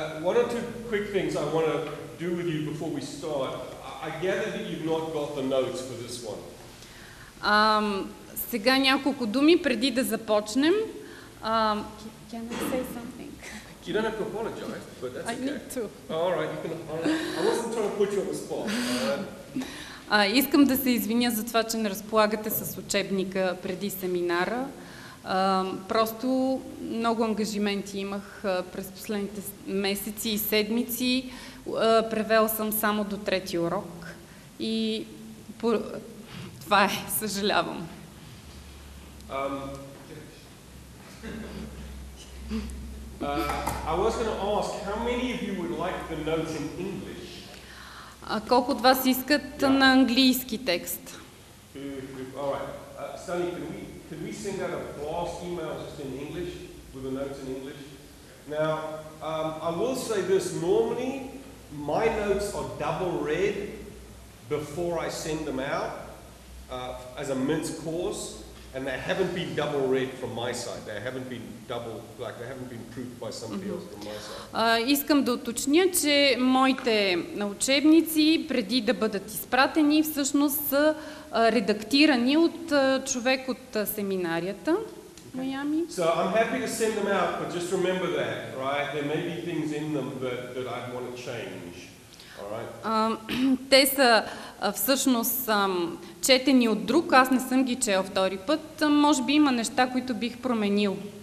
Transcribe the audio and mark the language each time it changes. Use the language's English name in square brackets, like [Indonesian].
[English] One or two quick things I want to do with you before we start. I gather that you've not got the notes for this one. [Bulgarian] Сега няколко думи преди да започнем. [English] Can I say something? You don't have to apologize, but that's okay. I need to. All right, you can apologize. I wasn't trying to put you on the spot. [Bulgarian] Искам да се извиня за това, че не разполагате с учебника преди семинара. Просто много ангажименти имах през последните месеци и седмици. Превел съм само до трети урок и това е, съжалявам. [English] I was going to ask how many of you would like the notes in English? [Bulgarian] Колко от вас искат на английски текст? [English] All right. Sunny, can we send out a blast email just in English with the notes in English? Now, I will say this normally my notes are double read before I send them out as a mince course, and they haven't been double read from my side. They haven't been double, like they haven't been proofed by somebody else from my side. [Bulgarian] Искам да уточня, че моите учебници преди да бъдат изпратени всъщност са редактирани от човек от семинарията в Майами. [English] So I'm happy to send them out, but just remember that, right? There may be things in them that I want to change. All right. [Bulgarian] Те са всъщност четени от друг, аз не съм ги чел втори път. Може би има неща, които бих променил.